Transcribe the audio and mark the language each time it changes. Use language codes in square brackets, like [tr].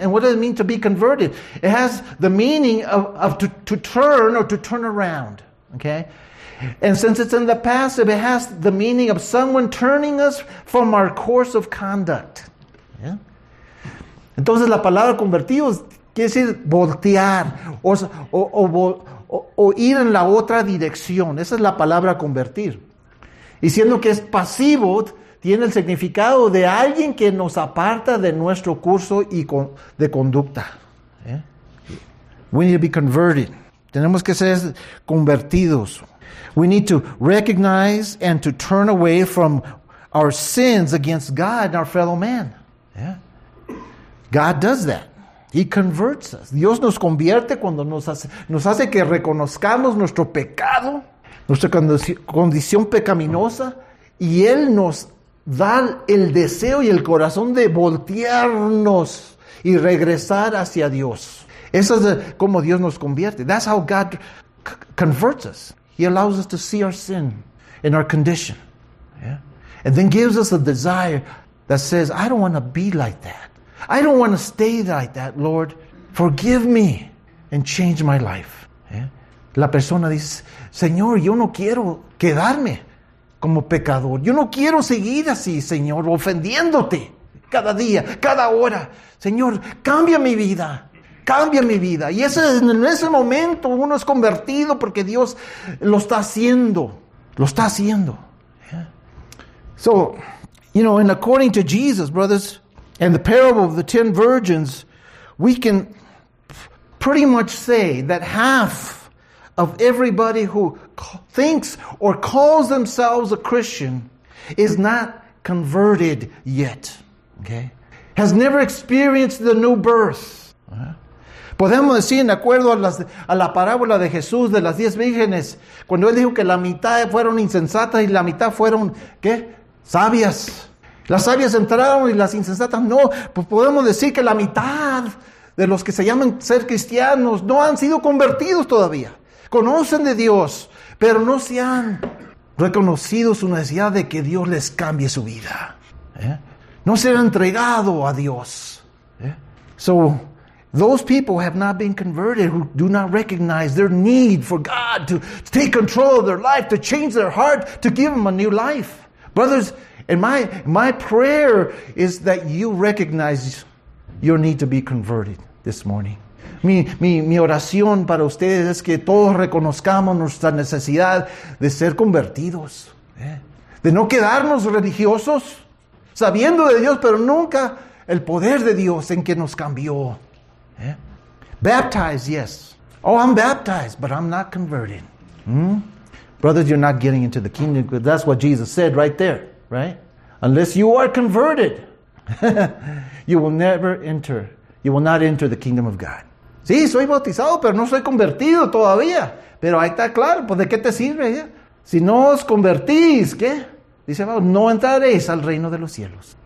[en] And what does it mean to be converted? It has the meaning of to turn or to turn around. Okay? And since it's in the passive, it has the meaning of someone turning us from our course of conduct. Yeah? [es] Entonces la palabra convertidos quiere decir voltear o, o, o, o ir en la otra dirección. Esa es la palabra convertir. Y siendo que es pasivo, tiene el significado de alguien que nos aparta de nuestro curso y de conducta. [en] We need to be converted. [es] Tenemos que ser convertidos. [en] We need to recognize and to turn away from our sins against God and our fellow man. God does that. He converts us. [es] Dios nos convierte cuando nos hace que reconozcamos nuestro pecado, nuestra condición pecaminosa, y Él nos da el deseo y el corazón de voltearnos y regresar hacia Dios. Eso es como Dios nos convierte. [en] That's how God converts us. He allows us to see our sin and our condition. Yeah? And then gives us a desire that says, I don't want to be like that. I don't want to stay like that, Lord. Forgive me and change my life. Yeah? [es] La persona dice, Señor, yo no quiero quedarme como pecador. Yo no quiero seguir así, Señor, ofendiéndote cada día, cada hora. Señor, cambia mi vida. Cambia mi vida. Y en ese momento uno es convertido porque Dios lo está haciendo. Lo está haciendo. Yeah. [en] So, you know, and according to Jesus, brothers, and the parable of the 10 virgins, we can pretty much say that half of everybody who thinks or calls themselves a Christian is not converted yet. Okay? Has never experienced the new birth. [es] Podemos decir, de acuerdo a la parábola de Jesús de las 10 vírgenes, cuando Él dijo que la mitad fueron insensatas y la mitad fueron, ¿qué? Sabias. Las sabias entraron y las insensatas no. Pues podemos decir que la mitad de los que se llaman ser cristianos no han sido convertidos todavía. Conocen de Dios, pero no se han reconocido su necesidad de que Dios les cambie su vida. No se han entregado a Dios. [en] So, those people have not been converted who do not recognize their need for God to take control of their life, to change their heart, to give them a new life. Brothers, and my prayer is that you recognize your need to be converted this morning. [es] Mi oración para ustedes es que todos reconozcamos nuestra necesidad de ser convertidos. De no quedarnos religiosos, sabiendo de Dios, pero nunca el poder de Dios en que nos cambió. [en] Baptized, yes. Oh, I'm baptized, but I'm not converted. Brothers, you're not getting into the kingdom. Because that's what Jesus said right there, right? Unless you are converted, you will never enter. You will not enter the kingdom of God. [es] Sí, soy bautizado, pero no soy convertido todavía. Pero ahí está claro, pues, ¿de qué te sirve? ¿Eh? Si no os convertís, ¿qué? Dice, no entraréis al reino de los cielos.